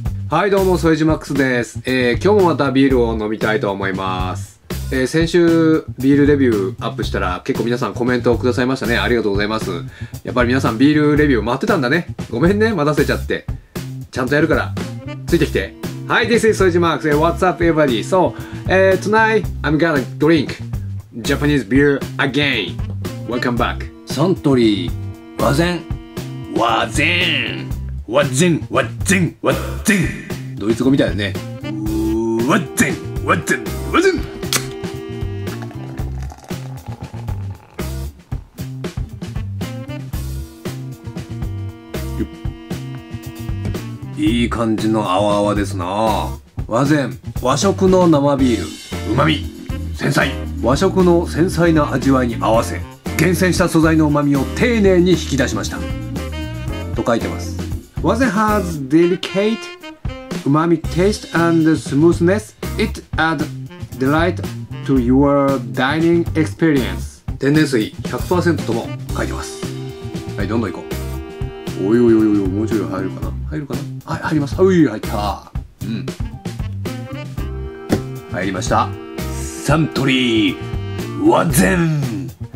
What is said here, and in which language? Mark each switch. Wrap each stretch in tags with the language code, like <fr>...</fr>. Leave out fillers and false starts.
<ja>はい、どうも、副島マックスです。今日もまたビールを飲みたいと思います。先週ビールレビューアップしたら結構皆さんコメントをくださいましたね。ありがとうございます。やっぱり皆さんビールレビュー待ってたんだね。ごめんね、待たせちゃって。ちゃんとやるから。ついてきて。</ja> <en>はい、This is 副島マックス。 What's up, everybody? So, tonight, I'm gonna drink Japanese beer again. Welcome back.</en> <ja>サントリー、和膳。和膳。わっぜん、わっぜん、わっぜん。ドイツ語みたいだね。わっぜん、わっぜん、わっぜん。いい感じの泡ですな。わぜん、和食の生ビール。うまみ、繊細。和食の繊細な味わいに合わせ、厳選した素材のうまみを丁寧に引き出しました。と書いてます。</ja> <en>Wazen has delicate umami taste and smoothness. It adds delight to your dining experience.</en> <ja>天然水 100% とも書いてます。はい、どんどん行こう。おいおいおいおい、もうちょい入るかな。入るかな。はい、入ります。はい、入った。うん。入りました。サントリー Wazen。</ja>